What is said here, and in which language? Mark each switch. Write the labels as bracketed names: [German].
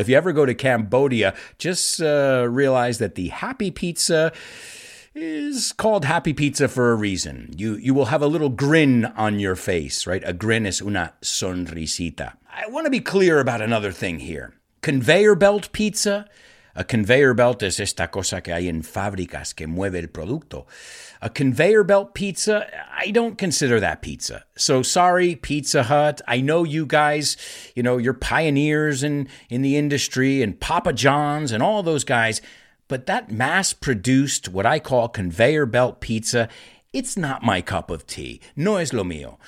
[English] If you ever go to Cambodia, just realize that the Happy Pizza is called Happy Pizza for a reason. You will have a little grin on your face, right? A grin is [Spanish] una sonrisita. [English] I want to be clear about another thing here. Conveyor belt pizza. A conveyor belt is [Spanish] esta cosa que hay en fábricas que mueve el producto. [English] A conveyor belt pizza, I don't consider that pizza. So sorry, Pizza Hut. I know you guys, you know, you're pioneers in the industry and Papa John's and all those guys. But that mass-produced, what I call conveyor belt pizza, it's not my cup of tea. [Spanish] No es lo mío.